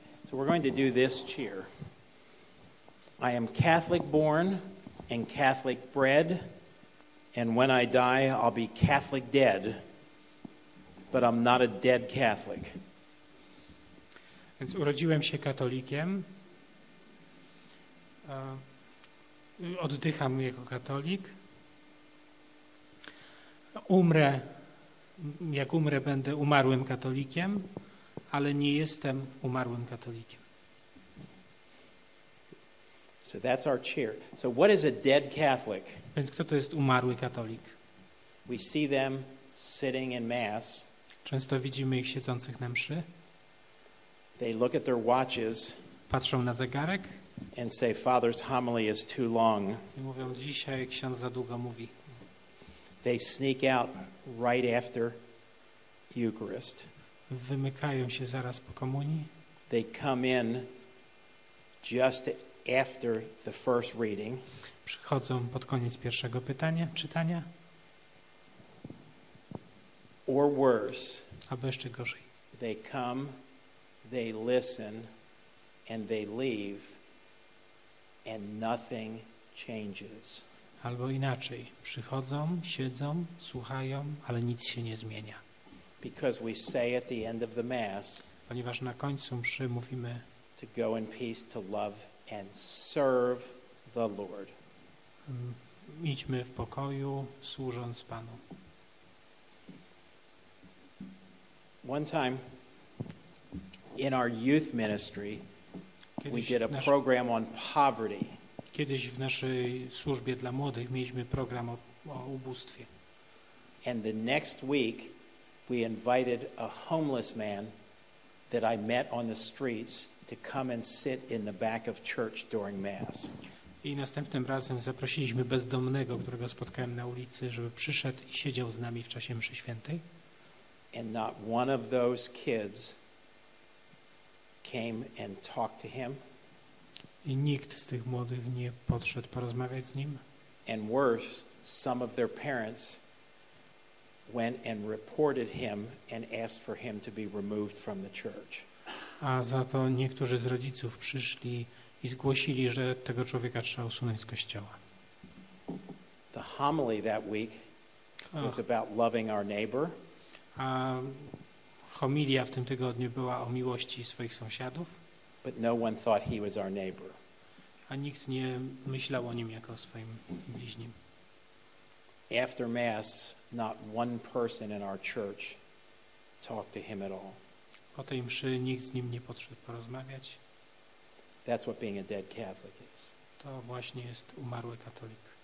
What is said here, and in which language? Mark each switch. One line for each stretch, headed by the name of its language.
English: So we're going to do this cheer. I am Catholic born and Catholic bred, and when I die, I'll be Catholic dead, but I'm not a dead Catholic.
Polish: Więc urodziłem się katolikiem. Oddycham jako katolik. Umrę, jak umrę, będę umarłym katolikiem, ale nie jestem umarłym katolikiem.
English: So that's our cheer. So what is a dead Catholic?
Polish: Więc kto to jest umarły katolik?
English: We see them sitting in mass.
Polish: Często widzimy ich siedzących na mszy.
English: They look at their watches.
Polish: Patrzą na zegarek.
English: And say, Father's homily is too long.
Polish: I mówią, dzisiaj ksiądz za długo mówi.
English: They sneak out right after Eucharist.
Polish: Wymykają się zaraz po komunii.
English: They come in just after the first reading.
Polish: Przychodzą pod koniec pierwszego pytania, czytania.
English: Or worse.
Polish: Albo jeszcze gorzej.
English: They come, they listen, and they leave. And nothing changes.
Polish: Albo inaczej, przychodzą, siedzą, słuchają, ale nic się nie zmienia.
English: Because we say at the end of the mass,
Polish: ponieważ na końcu mszy mówimy,
English: to go in peace, to love and serve the Lord.
Polish: Idźmy w pokoju, służąc Panu.
English: One time in our youth ministry, we did a program on poverty.
Polish: Kiedyś w naszej służbie dla młodych mieliśmy program o ubóstwie.
English: And the next week we invited a homeless man that I met on the streets to come and sit in the back of church during mass.
Polish: I następnym razem zaprosiliśmy bezdomnego, którego spotkałem na ulicy, żeby przyszedł i siedział z nami w czasie mszy świętej.
English: And not one of those kids came and talked to him.
Polish: I nikt z tych młodych nie podszedł porozmawiać z nim.
English: And worse, some of their parents went and reported him and asked for him to be removed from the church.
Polish: A za to niektórzy z rodziców przyszli i zgłosili, że tego człowieka trzeba usunąć z kościoła.
English: The homily that week was about loving our neighbor.
Polish: A homilia w tym tygodniu była o miłości swoich sąsiadów.
English: But no one thought he was our neighbor.
Polish: A nikt nie myślał o nim jako o swoim bliźnim.
English: After mass, not one person in our church talked to him at all.
Polish: Po tej mszy nikt z nim nie podszedł porozmawiać.
English: That's what being a dead Catholic is.
Polish: To właśnie jest umarły katolik.